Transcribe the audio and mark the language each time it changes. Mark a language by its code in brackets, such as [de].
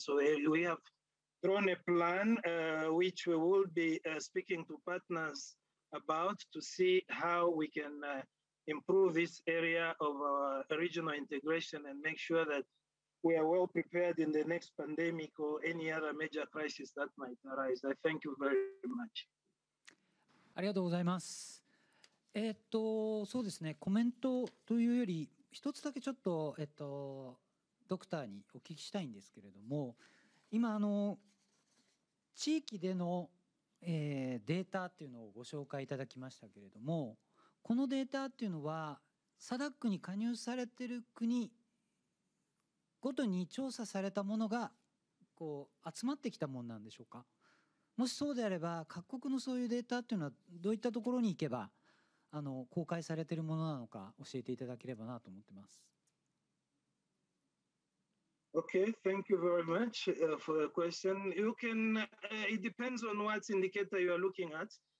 [en] So we have drawn a plan which we will be speaking to partners about to see how we can improve this area of our regional integration and make sure that we are well prepared in the next pandemic or any other major crisis that might arise. I thank you very much. [ja] ありがとうございます。そうですね、コメントというより一つだけちょっと、ドクターにお聞きしたいんですけれども、今地域での、データっていうのをご紹介いただきましたけれども、このデータっていうのはサダックに加入されている国ごとに調査されたものがこう集まってきたものなんでしょうか。もしそうであれば各国のそういうデータっていうのはどういったところに行けば公開されているものなのか教えていただければなと思ってます。 [en] Okay, thank you very much for the question. You can, it depends on what indicator you are looking at.